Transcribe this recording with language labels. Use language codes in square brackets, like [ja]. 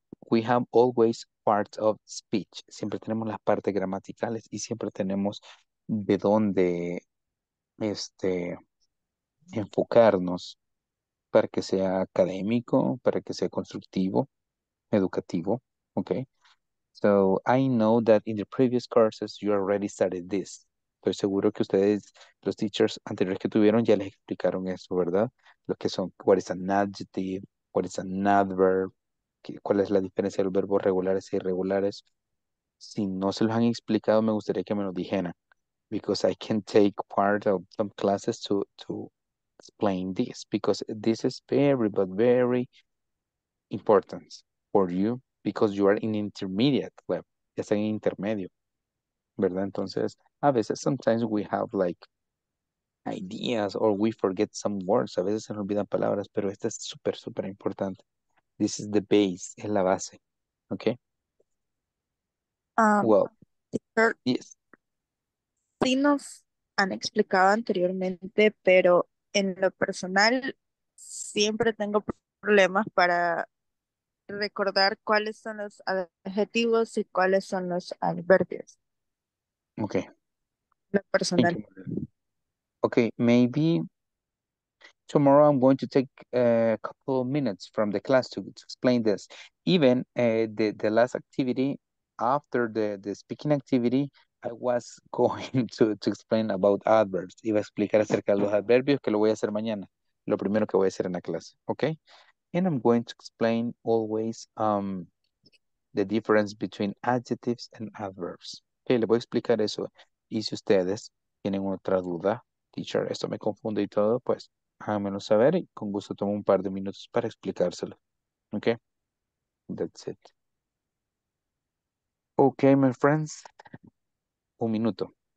[en] We have always parts of speech. [es] Siempre tenemos las partes gramaticales y siempre tenemos de dónde enfocarnos para que sea académico, para que sea constructivo, educativo. [en] Okay. So I know that in the previous courses you already started this. [es] Estoy seguro que ustedes, los teachers anteriores que tuvieron, ya les explicaron eso, ¿verdad? Lo que son, [en] what is an adjective, what is an adverb, [es] cuál es la diferencia de los verbos regulares e irregulares. Si no se los han explicado, me gustaría que me lo dijeran. [en] Because I can take part of some classes to explain this. Because this is very, but very important for you. Because you are in intermediate level. [es] Ya están en intermedio. ¿Verdad? Entonces, a veces, [en] sometimes we have like ideas or we forget some words. [es] A veces se nos olvidan palabras, pero esta es súper, súper importante. [en] This is the base, [es] es la base. [en] Okay. Well, yes. [es] Sí nos han explicado anteriormente, pero en lo personal siempre tengo problemas para recordar cuáles son los adjetivos y cuáles son los adverbios. [en] Okay. [es] Lo personal. [en] Okay, maybe tomorrow I'm going to take a couple of minutes from the class to explain this. Even the last activity, after the speaking activity, I was going to explain about adverbs. Iba a explicar acerca de los adverbios, que lo voy a hacer mañana. Lo primero que voy a hacer en la clase, okay? And I'm going to explain always the difference between adjectives and adverbs. [es] Okay, le voy a explicar eso. Y si ustedes tienen otra duda, teacher, esto me confunde y todo, pues háganmelo saber y con gusto tomo un par de minutos para explicárselo. [en] Okay? That's it. Okay, my friends. [es] Un minuto.